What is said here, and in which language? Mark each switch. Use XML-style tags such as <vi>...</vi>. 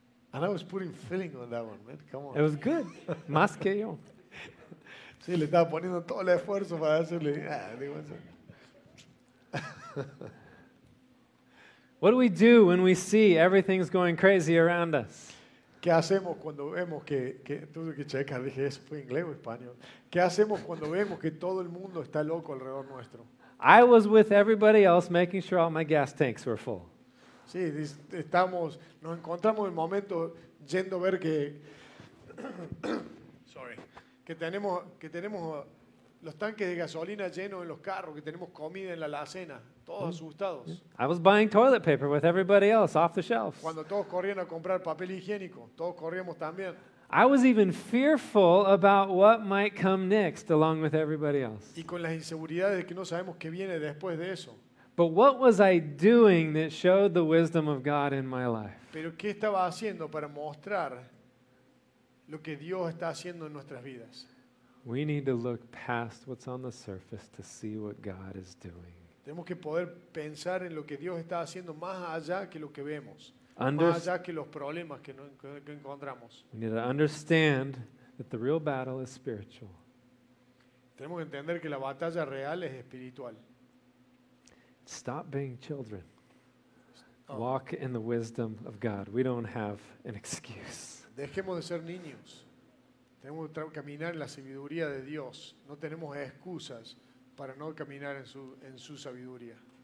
<en>And I was putting filling on that one, man. Come on. It was good.</en> <es>Más que yo. Sí, le estaba poniendo todo el esfuerzo para hacerle.</es> <en>What do we do when we see everything's going crazy around us?</en> <es>¿Qué hacemos cuando vemos que tuve que checar, dije eso fue inglés o español? ¿Qué hacemos cuando vemos que todo el mundo está loco alrededor nuestro?</es> <en>I was with everybody else making sure all my gas tanks were full.</en> <es>Sí, nos encontramos en el momento yendo a ver que que tenemos los tanques de gasolina llenos en los carros, que tenemos comida en la alacena, todos asustados.</es> <en>I was buying toilet paper with everybody else off the shelves.</en> <es>Cuando todos corrían a comprar papel higiénico, todos corríamos también.</es> <en>I was even fearful about what might come next along with everybody else.</en> <es>Y con las inseguridades de que no sabemos qué viene después de eso.</es> <en>But what was I doing that showed the wisdom of God in my life?</en> <es>Pero ¿qué estaba haciendo para mostrar lo que Dios está haciendo en nuestras vidas?</es> <en>We need to look past what's on the surface to see what God is doing.</en> <es>Tenemos que poder pensar en lo que Dios está haciendo más allá que lo que vemos, más allá que los problemas que encontramos.</es> <en>We need to understand that the real battle is spiritual.</en> <es>Tenemos que entender que la batalla real es espiritual.</es> <en>Stop being children. Walk in the wisdom of God. We don't have an excuse.</en> <es>Dejemos de ser niños. Tenemos que caminar en la sabiduría de Dios. No tenemos excusas para no caminar en su sabiduría.</es>